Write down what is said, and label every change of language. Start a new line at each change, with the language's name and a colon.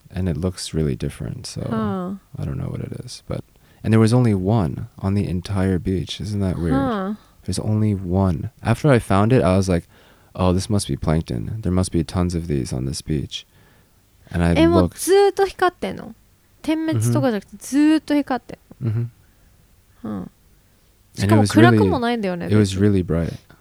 English: And it looks really different, so I don't know what it is. But and there was only one on the entire beach. Isn't that weird? There's only one. After I found it, I was like, oh, this must be plankton. There must be tons of these on this beach. And I looked.
Japanese: ずっと光ってんの? 点滅とかじゃなくてずっと光ってんの?
English: And it was really, it was really bright.